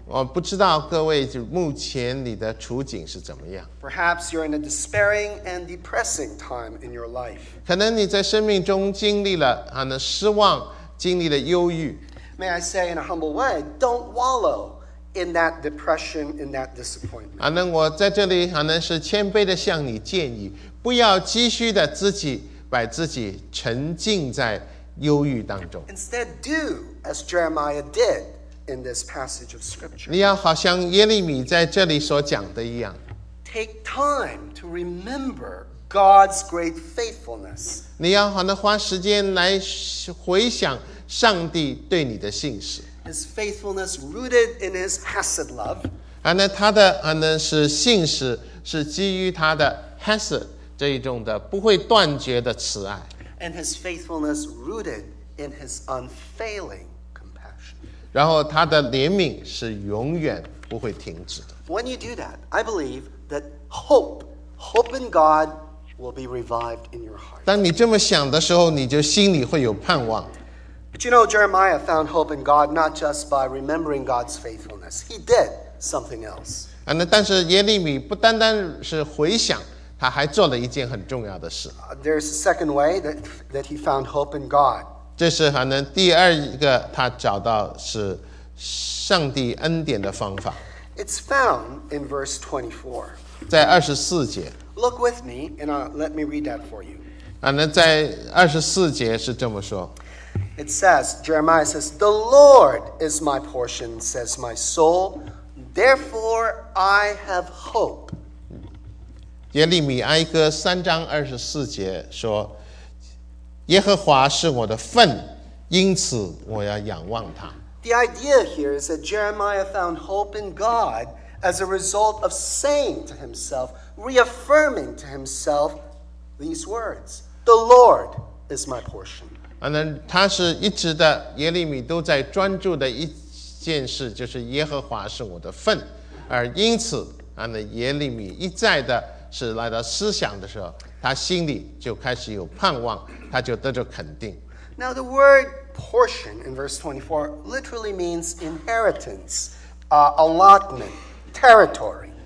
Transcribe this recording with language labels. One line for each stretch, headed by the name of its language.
Chinese: 我不知道各位目前你的处境是怎么样。
English: Perhaps you're in a despairing and depressing time in your life.
Chinese: 可能你在生命中经历了失望，经历了忧郁。
English: May I say in a humble way, don't wallow in that depression, in that disappointment.
Chinese: 我在这里是谦卑地向你建议，不要继续地把自己沉浸在忧郁当中。
English: Instead, do as Jeremiah did in this passage of Scripture.
Chinese: 你要好像耶利米在这里所讲的一样。
English: Take time to remember God's great faithfulness.
Chinese: 你要花时间来回想上帝对你的信实。
English: His faithfulness rooted in his hesed love.
Chinese: 他的是信实是基于他的 hesed 这一种的不会断绝的慈爱。
English: And his faithfulness rooted in his unfailing compassion.
Chinese: 然后他的怜悯是永远不会停止的。
English: When you do that, I believe that hope in God will be revived in your heart.
Chinese: 当你这么想的时候，你就心里会有盼望。
English: But you know, Jeremiah found hope in God not just by remembering God's faithfulness. He did something else.
Chinese: 但是耶利米不单单是回想，他还做了一件很重要的事。
English: There's a second way that he found hope in God.
Chinese: 这是第二一个他找到是上帝恩典的方法。
English: It's found in verse 24.
Chinese: 在二十四节。
English: Look with me and let me read that for you.
Chinese: 在二十四节是这么说。
English: It says, Jeremiah says, The Lord is my portion, says my soul. Therefore, I have hope.
Chinese: 耶利米哀歌三章二十四节说，耶和华是我的份，因此我要仰望他。
English: The idea here is that Jeremiah found hope in God as a result of saying to himself, reaffirming to himself these words, The Lord is my portion.
Chinese: 他是一直的耶利米都在专注的一件事，就是耶和华是我的份，而因此耶利米一再的是来到思想的时候，他心里就开始有盼望，他就得着肯定。
English: Now the word portion in verse 24 literally means inheritance, allotment, territory.